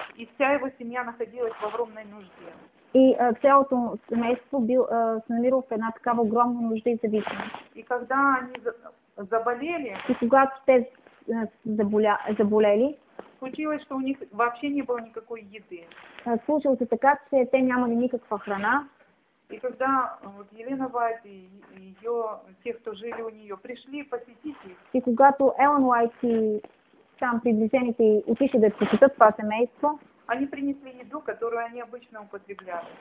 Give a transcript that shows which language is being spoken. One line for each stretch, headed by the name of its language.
Russian: И вся его семья находилась в огромной нужде.
Bulgarian: И целото семейство се намирало в една такава огромна нужда и зависимость.
Russian: И когда они заболели,
Bulgarian: и когато те заболели,
Russian: случилось, что у них вообще не было никакой еды.
Bulgarian: Случилось така, че те нямали никаква храна.
Russian: И когда вот Елена Вайт и ее, те, кто жили у нее, пришли посетить их.
Bulgarian: И когато Елен Вайт и там приближените отишли да посетят това семейство.
Russian: Они принесли еду, которую они обычно употребляли.